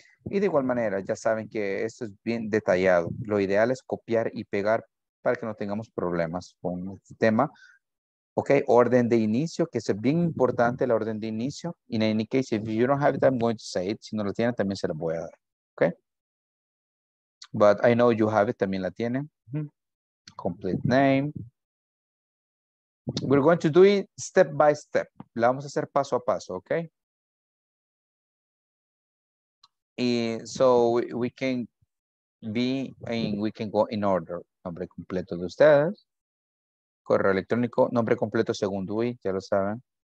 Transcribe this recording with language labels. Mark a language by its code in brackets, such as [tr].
[es] Y de igual manera, ya saben que esto es bien detallado. Lo ideal es copiar y pegar para que no tengamos problemas con este tema. Ok, orden de inicio, que es bien importante la orden de inicio. [en] In any case, if you don't have it, I'm going to say it. [es] Si no lo tienen, también se lo voy a dar. [en] Ok. But I know you have it, [es] también la tienen. [en] Complete name. We're going to do it step by step. [es] La vamos a hacer paso a paso, ok. [en] Y so we can be and we can go in order. [es] Nombre completo de ustedes. Correo electrónico, nombre completo según DUI, ya lo saben.